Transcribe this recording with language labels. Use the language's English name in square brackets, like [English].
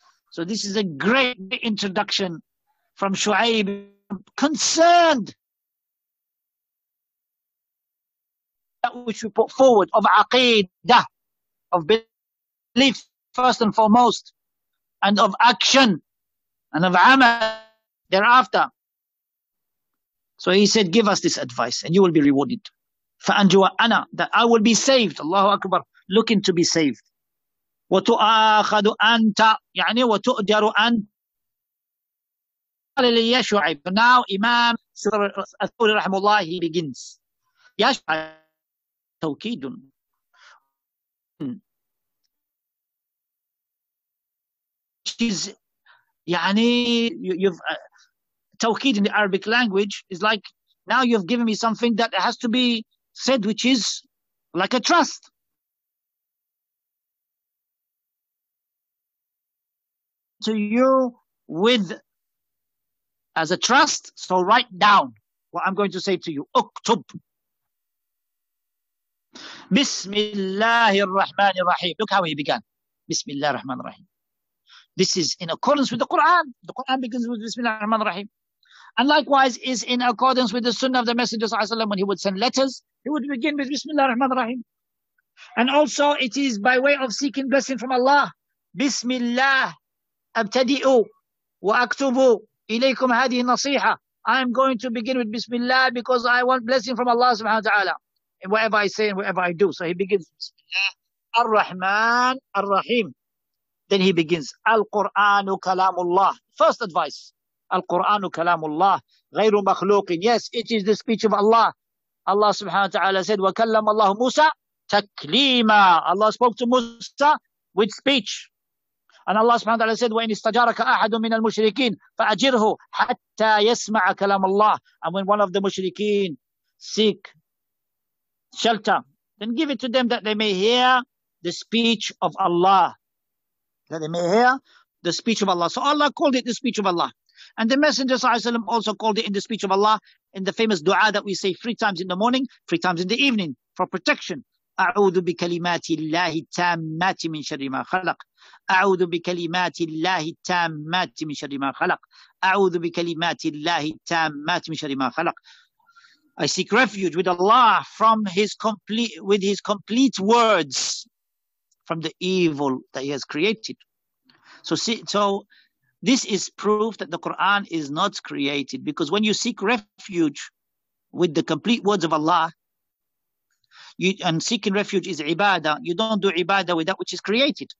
[English] So this is a great introduction from Shu'aib, concerned that which we put forward of aqidah, of belief first and foremost, and of action, and of amal thereafter. So he said, give us this advice and you will be rewarded. [Arabic] فَأَنْجُوَ أَنَا, [English] that I will be saved, Allahu Akbar, looking to be saved. [Arabic] وتؤاخذ أنت يعني وتؤجر أنت. قال لي يا شعيب, [English] now [Arabic] إمام الثوري رحمه الله [English] he begins. [Arabic] يا شعيب توكيد يعني توكيد [English] in the Arabic language is like now you've given me something that has to be said which is like a trust. To you with as a trust, so write down what I'm going to say to you. [Arabic] Uktub. [English] Bismillahir Rahmanir Rahim. Look how he began. Bismillahir Rahmanir Rahim. This is in accordance with the Quran. The Quran begins with Bismillahir Rahmanir Rahim. And likewise is in accordance with the Sunnah of the Messenger Sallallahu Alaihi Wasallam. When he would send letters, he would begin with Bismillahir Rahmanir Rahim. And also it is by way of seeking blessing from Allah. Bismillah. [Arabic] أبتدئوا وأكتبوا إليكم هذه النصيحة. [English] I'm going to begin with Bismillah because I want blessing from Allah subhanahu wa ta'ala in whatever I say and whatever I do. So he begins Bismillah Ar-Rahman Ar-Rahim. Then he begins Al-Quran Kalamullah. First advice. Al-Quran Kalamullah. [Arabic] غير مخلوق. [English] Yes, it is the speech of Allah. Allah subhanahu wa ta'ala said [Arabic] وكلم الله موسى تكليما. [English] Allah spoke to Musa with speech. And Allah subhanahu wa ta'ala said, [Arabic] وَإِنِ اسْتَجَارَكَ أَحَدٌ مِّنَ الْمُشْرِكِينَ فَأَجِرْهُ حَتَّى يَسْمَعَ كَلَامَ اللَّهِ. [English] And when one of the mushrikeen seek shelter, then give it to them that they may hear the speech of Allah. That they may hear the speech of Allah. So Allah called it the speech of Allah. And the Messenger sallallahu alayhi wa sallam also called it in the speech of Allah in the famous dua that we say three times in the morning, three times in the evening for protection. [Arabic] أَعُوذُ بِكَلِمَاتِ اللَّهِ التَّامَّاتِ مِنْ شَرِّ مَا خَلَقَ. أعوذ بكلمات الله التامات من شر ما خلق. أعوذ بكلمات الله التامات من شر ما خلق. [English] I seek refuge with Allah from His complete with His complete words from the evil that He has created. So this is proof that the Quran is not created, because when you seek refuge with the complete words of Allah, and seeking refuge is ibadah, you don't do ibadah with that which is created.